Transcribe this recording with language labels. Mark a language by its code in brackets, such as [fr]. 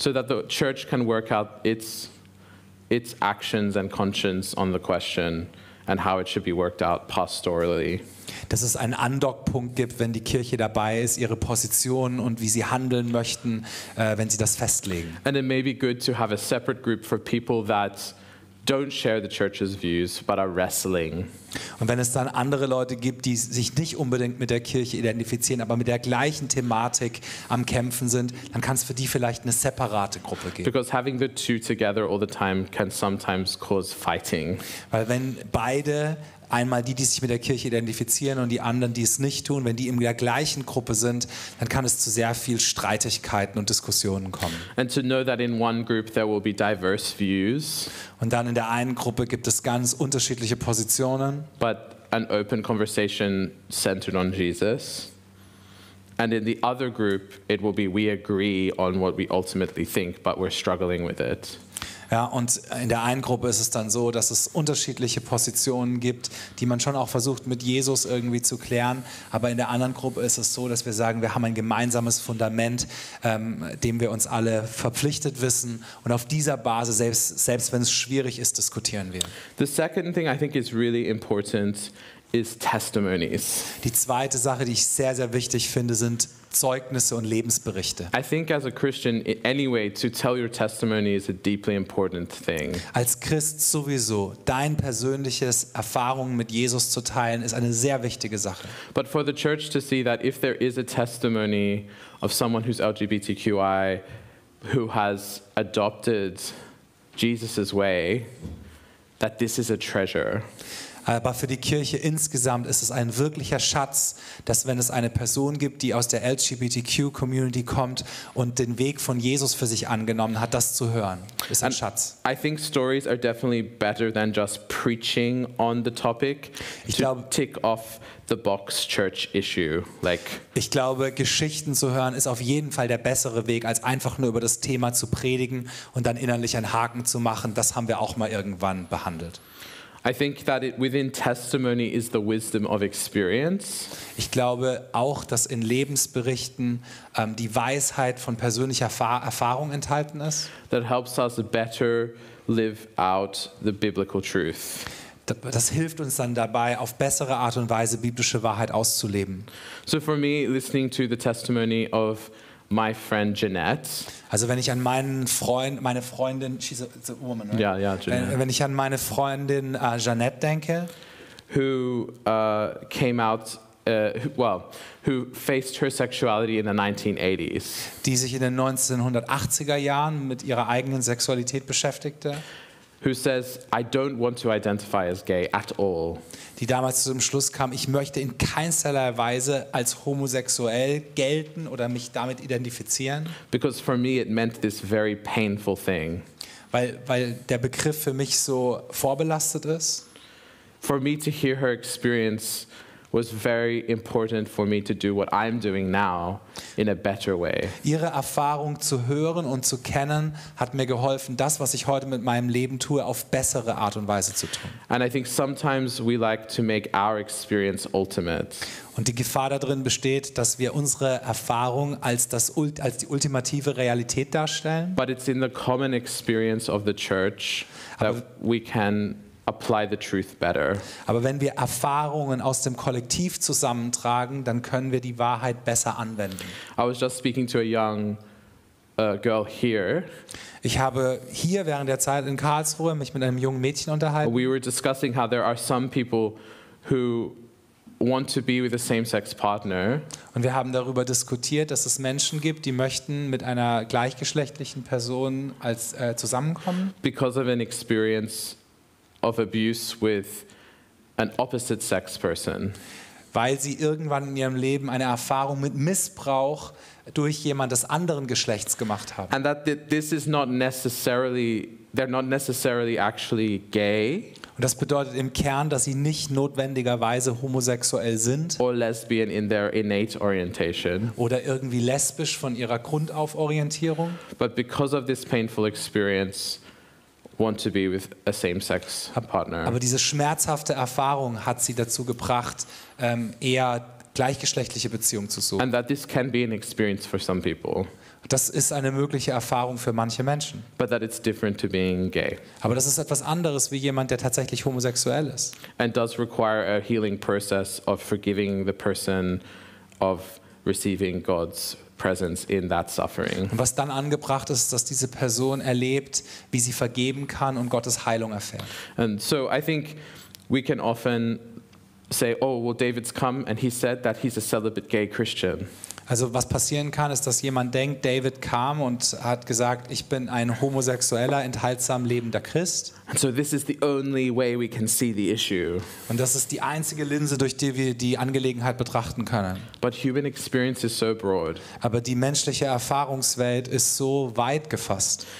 [en] So that the church can work out its actions and conscience on the question and how it should be worked out pastorally. [de] Dass es einen Andockpunkt gibt, wenn die Kirche dabei ist, ihre Position und wie sie handeln möchten, wenn sie das festlegen. [en] And it may be good to have a separate group for people that don't share the church's views but are wrestling. [de] Und wenn es dann andere Leute gibt, die sich nicht unbedingt mit der Kirche identifizieren, aber mit der gleichen Thematik am Kämpfen sind, dann kann es für die vielleicht eine separate Gruppe geben. [en] Because having the two together all the time can sometimes cause fighting. [de] Weil wenn beide, einmal die, die sich mit der Kirche identifizieren und die anderen, die es nicht tun, wenn die in der gleichen Gruppe sind, dann kann es zu sehr viel Streitigkeiten und Diskussionen kommen. [en] And to know that in one group there will be diverse views. [de] Und dann in der einen Gruppe gibt es ganz unterschiedliche Positionen. [en] But an open conversation centered on Jesus. And in the other group it will be we agree on what we ultimately think, but we're struggling with it. [de] Ja, und in der einen Gruppe ist es dann so, dass es unterschiedliche Positionen gibt, die man schon auch versucht, mit Jesus irgendwie zu klären. Aber in der anderen Gruppe ist es so, dass wir sagen, wir haben ein gemeinsames Fundament, dem wir uns alle verpflichtet wissen. Und auf dieser Basis, selbst wenn es schwierig ist, diskutieren wir. [en] The second thing I think is really important is testimonies. [de] Die zweite Sache, die ich sehr, sehr wichtig finde, sind Zeugnisse und Lebensberichte. [en] I think as a Christian anyway to tell your testimony is a deeply important thing. [de] Als Christ sowieso dein persönliches Erfahrungen mit Jesus zu teilen ist eine sehr wichtige Sache. [en] But for the church to see that if there is a testimony of someone who's LGBTQI who has adopted Jesus's way, that this is a treasure. [de] Aber für die Kirche insgesamt ist es ein wirklicher Schatz, dass wenn es eine Person gibt, die aus der LGBTQ-Community kommt und den Weg von Jesus für sich angenommen hat, das zu hören, ist ein Schatz. [en] I think stories are definitely better than just preaching on the topic. [de] Ich glaube, [en] tick off the box church issue. Like, [de] ich glaube, Geschichten zu hören ist auf jeden Fall der bessere Weg, als einfach nur über das Thema zu predigen und dann innerlich einen Haken zu machen. Das haben wir auch mal irgendwann behandelt. [en] I think that it within testimony is the wisdom of experience. [de] Ich glaube auch, dass in Lebensberichten die Weisheit von persönlicher Erfahrung enthalten ist. [en] That helps us better live out the biblical truth. [de] Das hilft uns dann dabei, auf bessere Art und Weise biblische Wahrheit auszuleben. [en] So for me, listening to the testimony of my friend Jeanette. [de] Also wenn ich an meinen Freund, meine Freundin, [en] she's a woman, right? Yeah, yeah, Jeanette. [de] Wenn ich an meine Freundin Jeanette denke, [en] who came out, who faced her sexuality in the 1980s. [de] Die sich in den 1980er Jahren mit ihrer eigenen Sexualität beschäftigte. [en] Who says, I don't want to identify as gay at all. [de] Die damals zu dem Schluss kam, ich möchte in keinerlei Weise als homosexuell gelten oder mich damit identifizieren. [en] Because for me it meant this very painful thing. [de] Weil der Begriff für mich so vorbelastet ist. [en] For me to hear her experience was very important for me to do what I'm doing now in a better way. [de] Ihre Erfahrung zu hören und zu kennen hat mir geholfen, das, was ich heute mit meinem Leben tue, auf bessere Art und Weise zu tun. [en] And I think sometimes we like to make our experience ultimate. [de] Und die Gefahr darin besteht, dass wir unsere Erfahrung als die ultimative Realität darstellen. [en] But it's in the common experience of the church that we can apply the truth better. [de] Aber wenn wir Erfahrungen aus dem Kollektiv zusammentragen, dann können wir die Wahrheit besser anwenden. [en] I was just speaking to a young girl here. [de] Ich habe hier während der Zeit in Karlsruhe mich mit einem jungen Mädchen unterhalten. [en] We were discussing how there are some people who want to be with a same-sex partner. [de] Und wir haben darüber diskutiert, dass es Menschen gibt, die möchten mit einer gleichgeschlechtlichen Person als zusammenkommen. [en] Because of an experience of abuse with an opposite sex person. [de] Weil sie irgendwann in ihrem Leben eine Erfahrung mit Missbrauch durch jemand des anderen Geschlechts gemacht haben. [en] And that this is not necessarily, they're not necessarily actually gay. [de] Und das bedeutet im Kern, dass sie nicht notwendigerweise homosexuell sind. [en] Or lesbian in their innate orientation. [de] Oder irgendwie lesbisch von ihrer Grundauforientierung. [en] But because of this painful experience, want to be with a same-sex partner. [de] Aber diese schmerzhafte Erfahrung hat sie dazu gebracht, eher gleichgeschlechtliche Beziehungen zu suchen. [en] And that this can be an experience for some people. [de] Das ist eine mögliche Erfahrung für manche Menschen. [en] But that it's different to being gay. [de] Aber das ist etwas anderes wie jemand, der tatsächlich homosexuell ist. [en] And does require a healing process of forgiving the person of receiving God's presence in that suffering. [de] Und was dann angebracht ist, dass diese Person erlebt, wie sie vergeben kann und Gottes Heilung erfährt. [en] And so I think we can often say, oh, well, David's come and he said that he's a celibate gay Christian. [de] Also was passieren kann, ist, dass jemand denkt, David kam und hat gesagt, ich bin ein homosexueller, enthaltsam lebender Christ. [en] And so this is the only way we can see the issue. [de] Und das ist die einzige Linse, durch die wir die Angelegenheit betrachten können. [en] But human experience is so broad. [de] Aber die menschliche Erfahrungswelt ist so weit gefasst.